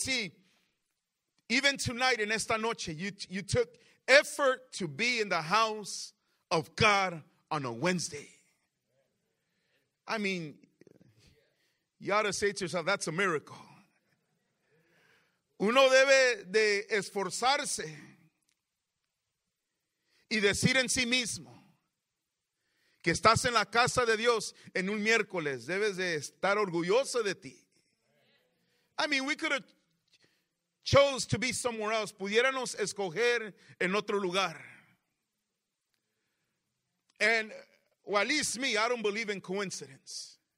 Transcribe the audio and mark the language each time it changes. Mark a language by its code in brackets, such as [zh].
[en] See, even tonight, [es] en esta noche, [en] you took effort to be in the house of God on a Wednesday. I mean, you ought to say to yourself, that's a miracle. [es] Uno debe de esforzarse y decir en sí mismo que estás en la casa de Dios en un miércoles. Debes de estar orgulloso de ti. [en] I mean, we could have chose to be somewhere else. [es] Pudiéramos escoger en otro lugar. [en] And well, at least me, I don't believe in coincidence.